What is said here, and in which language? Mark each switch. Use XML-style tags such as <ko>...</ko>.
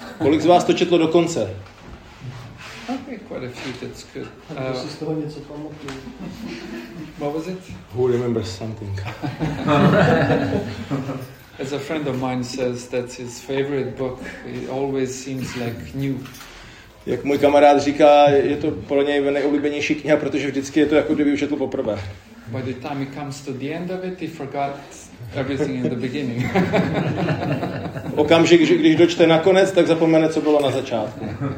<cs>Kolik z vás to četlo do konce?</cs> <en>Okay, quite a few, that's good. What was it? Who remembers something? As a friend of mine says, that's his favorite book. It always seems like new.</en> <cs>Jak můj kamarád říká, je to pro něj nejoblíbenější kniha, protože vždycky je to jako kdyby už četl poprvé.</cs> <en>By the time he comes to the end of it, he forgot everything in the beginning.</en> <cs>Okamžik, když dočte nakonec, tak zapomene, co bylo na začátku.</cs>